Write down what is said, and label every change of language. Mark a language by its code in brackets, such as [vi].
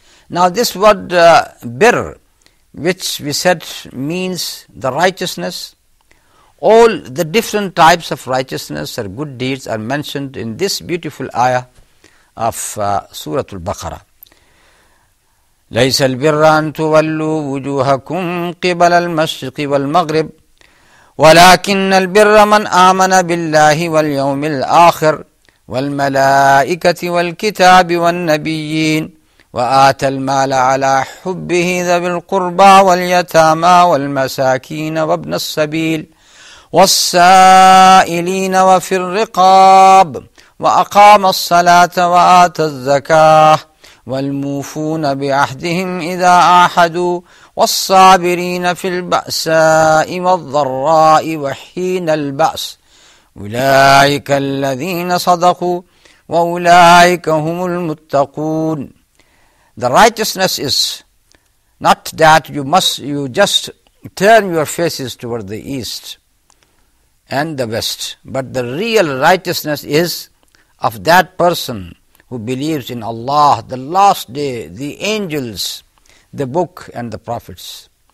[en] Now this word birr, which we said means the righteousness. All the different types of righteousness or good deeds are mentioned in this beautiful ayah of Surah Al-Baqarah. [ar] ليس البر أن تولوا وجوهكم قبل المشرق والمغرب ولكن البر من آمن بالله واليوم الآخر والملائكة والكتاب والنبيين وآتى المال على حبه ذوي القربى واليتامى والمساكين وابن السبيل والسائلين وفي الرقاب وأقام الصلاة وآتى الزكاة والموفون بعهدهم إذا عاهدوا والصابرين في البأساء والضراء وحين البأس أولئك الذين صدقوا وأولئك هم المتقون. [en] The righteousness is not that you just turn your faces toward the east and the west, but the real righteousness is of that person who believes in Allah, the last day, the angels, the book and the prophets.